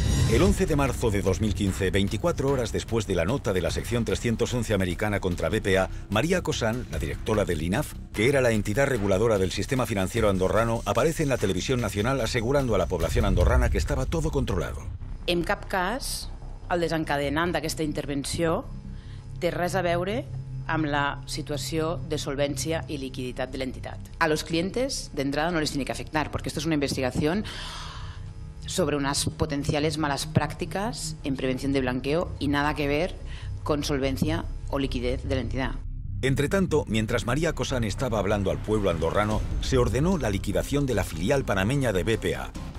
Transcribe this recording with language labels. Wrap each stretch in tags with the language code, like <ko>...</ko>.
<es>El 11 de marzo de 2015, 24 horas después de la nota de la sección 311 americana contra BPA, María Cosán, la directora del INAF, que era la entidad reguladora del sistema financiero andorrano, aparece en la televisión nacional asegurando a la población andorrana que estaba todo controlado.</es> <ca>En cap cas, el desencadenant d'aquesta intervenció té res a veure amb la situació de solvència i liquiditat de l'entitat.</ca> <es>A los clientes, d'entrada, no les tiene que afectar, porque esto es una investigación sobre unas potenciales malas prácticas en prevención de blanqueo y nada que ver con solvencia o liquidez de la entidad. Entretanto, mientras María Cosán estaba hablando al pueblo andorrano, se ordenó la liquidación de la filial panameña de BPA.</es>